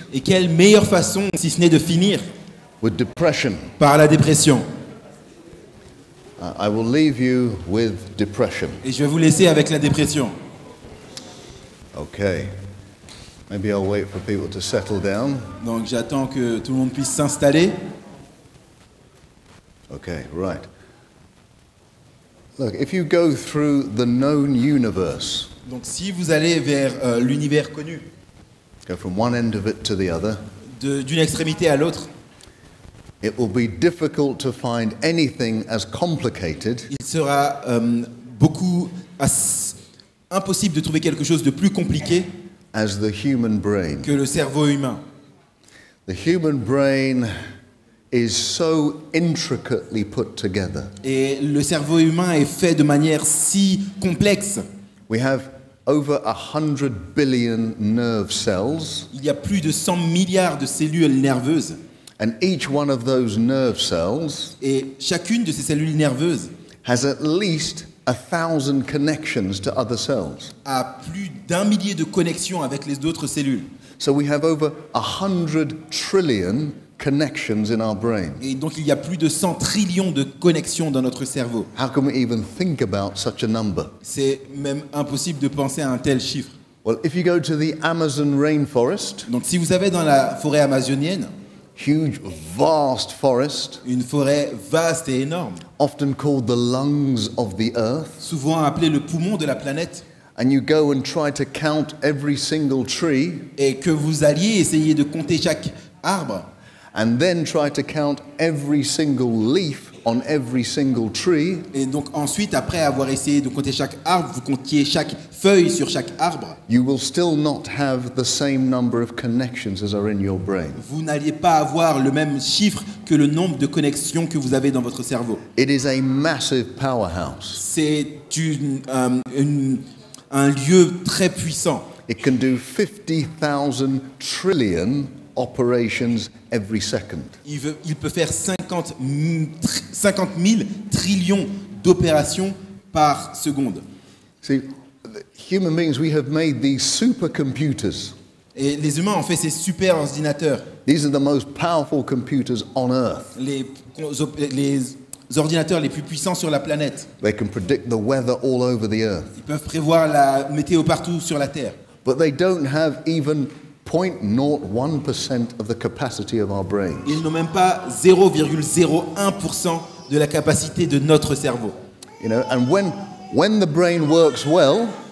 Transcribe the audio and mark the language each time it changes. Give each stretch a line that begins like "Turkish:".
French: Et quelle meilleure façon, si ce n'est de finir,
English: with depression.
French: Par la dépression.
English: I will leave you with depression.
French: Et je vais vous laisser avec la dépression.
English: Okay. Maybe I'll wait for people to settle down.
French: Donc j'attends que tout le monde puisse s'installer.
English: Okay, right. Look, if you go through the known universe.
French: Donc si vous allez vers l'univers connu.
English: Go from one end of it to the other.
French: D'une extrémité à l'autre.
English: It will be difficult to find anything as complicated.
French: Il sera impossible de trouver quelque chose de plus compliqué
English: as the human brain.
French: Que le cerveau humain.
English: The human brain is so intricately put together.
French: Et le cerveau humain est fait de manière si complexe.
English: We have over 100 billion nerve cells.
French: Il y a plus de 100 milliards de cellules nerveuses.
English: And each one of those nerve cells,
French: et chacune de ces cellules nerveuses,
English: has at least 1,000 connections to other cells.
French: A plus d'un millier de connexions avec les autres cellules.
English: So we have over 100 trillion connections in our brain.
French: Et donc il y a plus de 100 trillions de connexions dans notre cerveau.
English: How can we even think about such a number?
French: C'est même impossible de penser à un tel chiffre.
English: Well, if you go to the Amazon rainforest,
French: donc si vous allez dans la forêt amazonienne,
English: huge, vast forest.
French: Une forêt vaste et énorme.
English: Often called the lungs of the earth.
French: Souvent appelé le poumon de la planète.
English: And you go and try to count every single tree.
French: Et que vous alliez essayer de compter chaque arbre.
English: And then try to count every single leaf on every single tree.
French: Et donc ensuite, après avoir essayé de compter chaque arbre, vous comptiez chaque feuille sur chaque arbre.
English: You will still not have the same number of connections as are in your brain.
French: Vous n'alliez pas avoir le même chiffre que le nombre de connexions que vous avez dans votre cerveau.
English: It is a massive powerhouse.
French: C'est un lieu très puissant.
English: It can do 50,000 trillion operations every second.
French: Il peut faire 50 000 trillions d'opérations par seconde.
English: See, human beings, we have made these supercomputers.
French: Et les humains ont fait ces super ordinateurs.
English: These are the most powerful computers on Earth.
French: Les ordinateurs les plus puissants sur la planète.
English: They can predict the weather all over the Earth.
French: Ils peuvent prévoir la météo partout sur la Terre.
English: But they don't have even 0.01% of the capacity of our brain.
French: Ils n'ont même pas 0,01% de la capacité de notre cerveau.
English: You know, and when the brain works well,